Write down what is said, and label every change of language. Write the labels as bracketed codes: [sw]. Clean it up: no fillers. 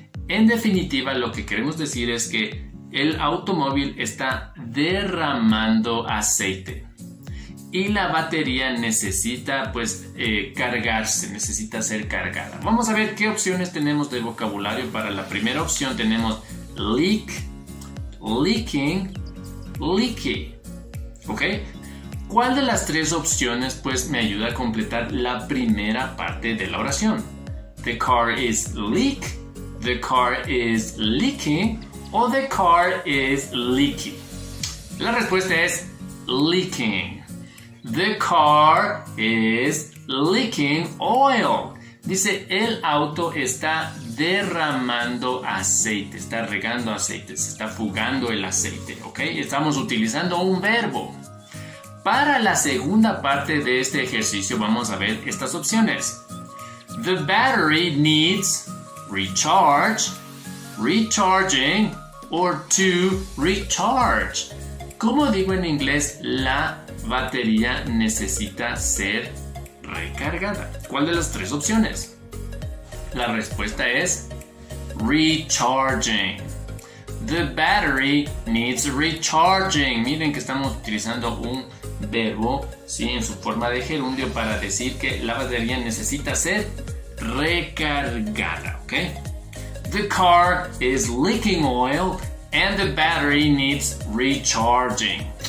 [es] En definitiva, lo que queremos decir es que el automóvil está derramando aceite y la batería necesita cargarse, necesita ser cargada. Vamos a ver qué opciones tenemos de vocabulario. Para la primera opción tenemos leak, leaking, leaky. ¿Ok? ¿Cuál de las tres opciones pues me ayuda a completar la primera parte de la oración? [en] The car is leak, the car is leaking, o the car is leaky. [es] La respuesta es [en] leaking. The car is leaking oil. [es] Dice, el auto está derramando aceite, está regando aceite, se está fugando el aceite, ¿ok? Estamos utilizando un verbo. Para la segunda parte de este ejercicio vamos a ver estas opciones. [en] The battery needs recharge, recharging, or to recharge. [es] ¿Cómo digo en inglés? La batería necesita ser recargada. ¿Cuál de las tres opciones? La respuesta es recharging. [en] The battery needs recharging. [es] Miren que estamos utilizando un verbo, ¿sí?, en su forma de gerundio para decir que la batería necesita ser recargada. ¿Okay? [en] The car is leaking oil and the battery needs recharging.